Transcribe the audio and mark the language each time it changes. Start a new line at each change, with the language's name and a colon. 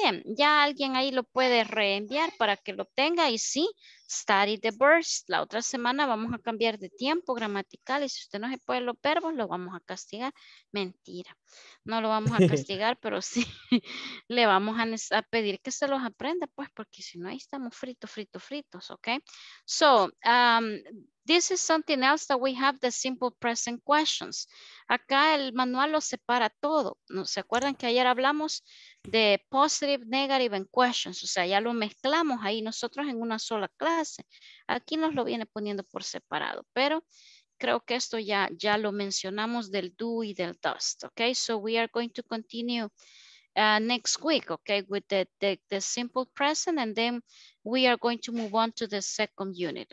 Spanish: Bien, ya alguien ahí lo puede reenviar para que lo tenga y sí,
English: study the verbs.
Spanish: La otra semana vamos a cambiar de tiempo gramatical y si usted no se puede los verbos, lo vamos a castigar. Mentira, no lo vamos a castigar, pero sí le vamos a pedir que se los aprenda, pues, porque si no, ahí estamos fritos, ¿ok?
English: So, this is something else that we have, the simple present questions.
Spanish: Acá el manual lo separa todo. ¿No? ¿Se acuerdan que ayer hablamos de
English: positive, negative, and questions?
Spanish: O sea, ya lo mezclamos ahí nosotros en una sola clase. Aquí nos lo viene poniendo por separado, pero creo que esto ya lo mencionamos del do y del does.
English: Okay, so we are going to continue next week, okay, with the simple present, and then we are going to move on to the second unit.